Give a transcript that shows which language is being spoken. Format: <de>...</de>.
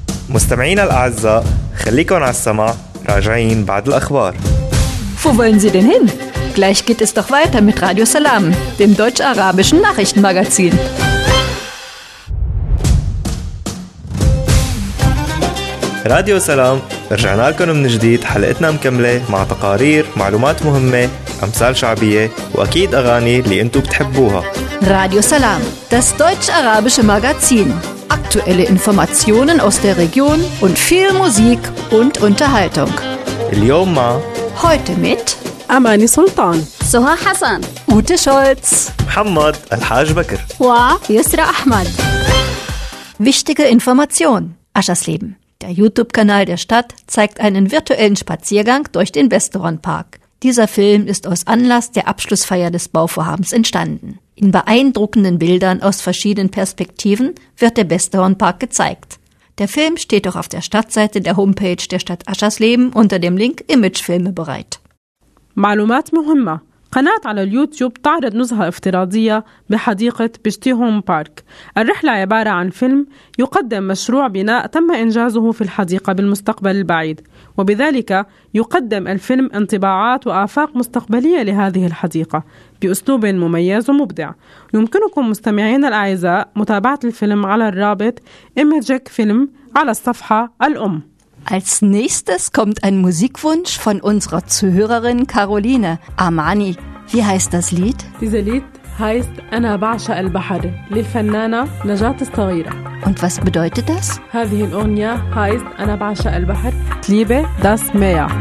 <ar>مستمعينا الأعزاء خليكم على السماع، راجعين بعد الأخبار.</ar> <de>Wo wollen Sie denn hin? Gleich geht es doch weiter mit Radio Salam, dem deutsch-arabischen Nachrichtenmagazin.</de> <ar>راديو سلام، رجعنا لكم من جديد. حلقتنا مكملة مع تقارير، معلومات مهمة، أمثال شعبية وأكيد أغاني اللي أنتوا بتحبوها.</ar> <de>راديو سلام، das deutsch-arabische Magazin. Aktuelle Informationen aus der Region und viel Musik und Unterhaltung.</de> <ar>اليوم مع</ar> <de>Heute mit</de> <ar>أماني سلطان، سهى حسن، أوتي شولتز، محمد الحاج بكر ويسرى أحمد.</ar> <de>Wichtige Information. Aschas Leben. Der YouTube-Kanal der Stadt zeigt einen virtuellen Spaziergang durch den Westeron-Park. Dieser Film ist aus Anlass der Abschlussfeier des Bauvorhabens entstanden. In beeindruckenden Bildern aus verschiedenen Perspektiven wird der Westeron-Park gezeigt. Der Film steht auch auf der Stadtseite der Homepage der Stadt Aschersleben unter dem Link Imagefilme bereit.</de> <ar>معلومات مهمة. قناة على اليوتيوب تعرض نزهة افتراضية بحديقة بيشتي هوم بارك. الرحلة عبارة عن فيلم يقدم مشروع بناء تم إنجازه في الحديقة بالمستقبل البعيد، وبذلك يقدم الفيلم انطباعات وآفاق مستقبلية لهذه الحديقة بأسلوب مميز ومبدع. يمكنكم مستمعين الأعزاء متابعة الفيلم على الرابط Imagic Film على الصفحة الأم.</ar> <de>Als nächstes kommt ein Musikwunsch von unserer Zuhörerin Caroline. Amani, wie heißt das Lied? Dieses Lied heißt Ana Ba'sha al-Bahar, lil-Fannana Najat al-Saghira. Und was bedeutet das?</de> <ar>هذه الأغنية</ar> <de>heißt Ana Ba'sha al-Bahar, ich liebe das Meer.</de>